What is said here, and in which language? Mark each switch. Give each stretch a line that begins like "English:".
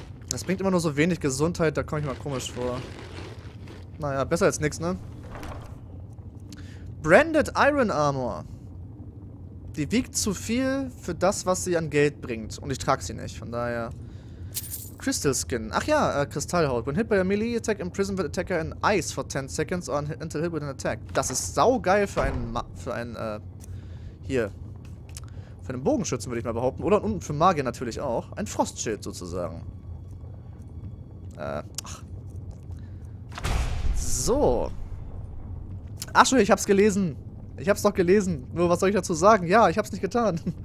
German: Das bringt immer nur so wenig Gesundheit, da komme ich mal komisch vor. Naja, besser als nichts, ne? Branded Iron Armor. Die wiegt zu viel für das, was sie an Geld bringt. Und ich trage sie nicht, von daher. Crystal Skin. Ach ja, Kristallhaut.
English: When hit by a melee attack, imprisoned with attacker in ice for 10 seconds or until hit with an attack.
German: Das ist saugeil für einen, für einen Bogenschützen, würde ich mal behaupten. Oder unten für Magier natürlich auch. Ein Frostschild sozusagen. So. Ach schon, ich hab's gelesen. Ich hab's doch gelesen. Nur, was soll ich dazu sagen? Ja, ich hab's nicht getan.